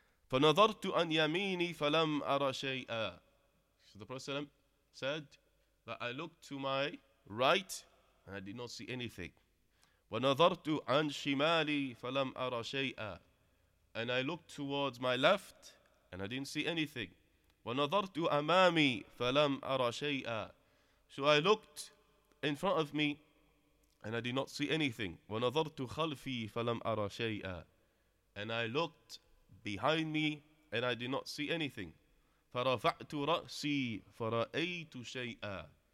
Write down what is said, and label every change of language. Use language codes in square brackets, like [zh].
[ar] فَنَظَرْتُ أَنْ يَمِينِي فَلَمْ أَرَى شَيْئًا. [en] So the Prophet said that I looked to my right and I did not see anything. [ar] وَنَظَرْتُ عَنْ شِمَالِي فَلَمْ أَرَى شَيْئًا. [en] And I looked towards my left, and I didn't see anything. [ar] وَنَظَرْتُ أَمَامِي فَلَمْ أَرَى شَيْئًا. [en] So I looked in front of me, and I did not see anything. [ar] وَنَظَرْتُ خَلْفِي فَلَمْ أَرَى شَيْئًا. [en] And I looked behind me, and I did not see anything. [ar] فَرَفَعْتُ رَأْسِي فَرَأَيْتُ شَيْئًا.